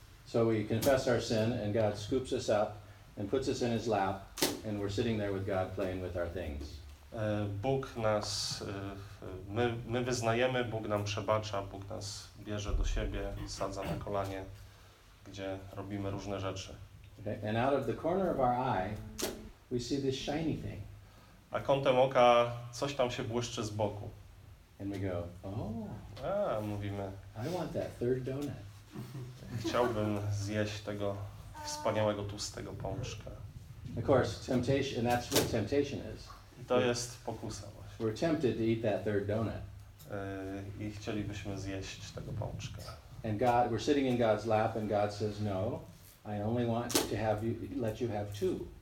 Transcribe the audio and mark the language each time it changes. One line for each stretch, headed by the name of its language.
English: So we confess our sin and God scoops us up and puts us in his lap, and we're sitting there with God playing with our things.
Polish: Bóg nas, my wyznajemy, Bóg nam przebacza, Bóg nas bierze do siebie, sadza na kolanie, gdzie robimy różne rzeczy.
English: Okay. And out of the corner of our eye, we see this shiny thing.
Polish: A kątem oka coś tam się błyszczy z boku.
English: And we go, oh.
Polish: A mówimy,
English: I want that third donut.
Polish: Chciałbym zjeść tego wspaniałego tłustego pączka.
English: Of course, temptation, and that's what temptation is.
Polish: To jest pokusa właśnie.
English: We're tempted to eat that third donut.
Polish: I chcielibyśmy zjeść tego pączka.
English: And God, we're sitting in God's lap, and God says, "No, I only want to have you, let you have two."